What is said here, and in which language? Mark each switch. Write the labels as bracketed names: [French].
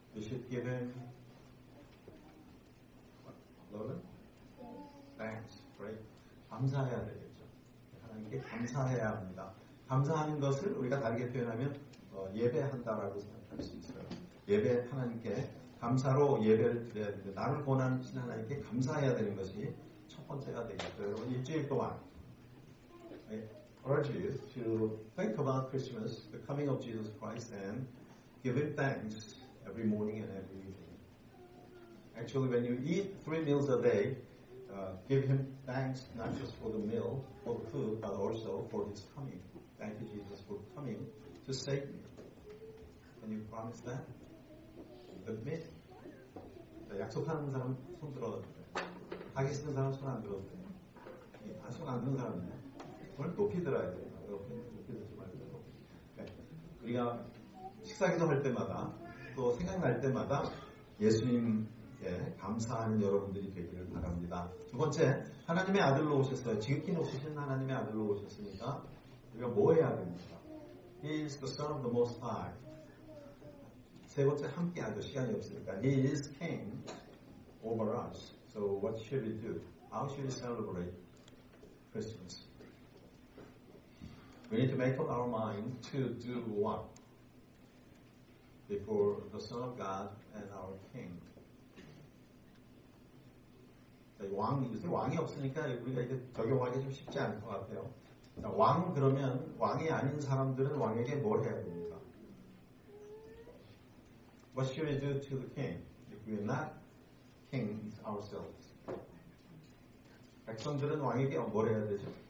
[English] You should give him thanks, right? [Korean] 감사해야 되겠죠. 하나님께 감사해야 합니다. 감사하는 것을 우리가 다르게 표현하면 예배한다라고 생각할 수 있어요. 예배 하나님께 감사로 예배를 드려야 되는데 나를 권하신 하나님께 감사해야 되는 것이 첫 번째가 되겠죠. 여러분 일주일 동안 [English] I urge you to think about Christmas, the coming of Jesus Christ and give him thanks every morning and every evening. Actually when you eat three meals a day, give him thanks not just for the meal, for the food, but also for his coming. Thank you, Jesus, for coming to save me. Can you promise that? Admit. [Korean] 자, 약속하는 사람 손 들어주세요. 하기 싫은 사람 손 안 들어주세요. 예, 아, 손 안 드는 사람은요. 손을 높이 들어야 돼요. 높이 들지 말고. 네. 우리가 식사 기도할 때마다 또 생각날 때마다 예수님께 감사하는 여러분들이 되기를 바랍니다. 두 번째, 하나님의 아들로 오셨어요. 지극히 높으신 하나님의 아들로 오셨으니까 우리가 뭐 해야 됩니까? [English] He is the Son of the Most High. [Korean] 세 번째 함께 하죠. 시간이 없으니까. [English] He is King over us. So what should we do? How should we celebrate Christmas? We need to make up our mind to do what? Before the Son of God and our King. [Korean] 왕이 없으니까 우리가 이제 적용하기 좀 쉽지 않을 것 같아요. 자, 왕 그러면 왕이 아닌 사람들은 왕에게 뭘 해야 됩니까? [English] What should we do to the king if we are not kings ourselves? [Korean] 백성들은 왕에게 뭘 해야 되죠?